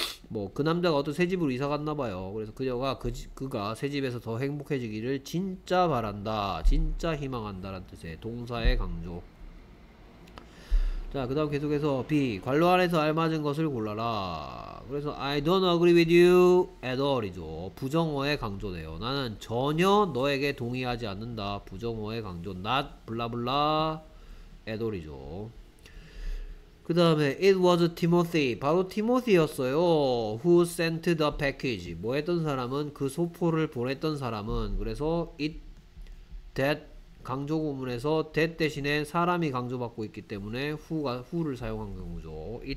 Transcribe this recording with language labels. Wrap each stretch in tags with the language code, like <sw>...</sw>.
<ko>뭐그 남자가 어떤 새 집으로 이사 갔나 봐요. 그래서 그가 새 집에서 더 행복해지기를 진짜 바란다. 진짜 희망한다라는 뜻의 동사의 강조. 자, 그 다음 계속해서 B. 관로 안에서 알맞은 것을 골라라. 그래서</ko> <en>I don't agree with you at all이죠.</en> <ko>부정어에 강조돼요. 나는 전혀 너에게 동의하지 않는다. 부정어에 강조.</ko> <en>Not, blah, blah, at all</en> <ko>이죠. 그 다음에</ko> <en>It was Timothy.</en> <ko>바로 Timothy였어요.</ko> <en>Who sent the package.</en> <ko>뭐 했던 사람은 그 소포를 보냈던 사람은 그래서 that 강조 구문에서 that 대신에 사람이 강조받고 있기 때문에 who를 사용한 경우죠.</ko>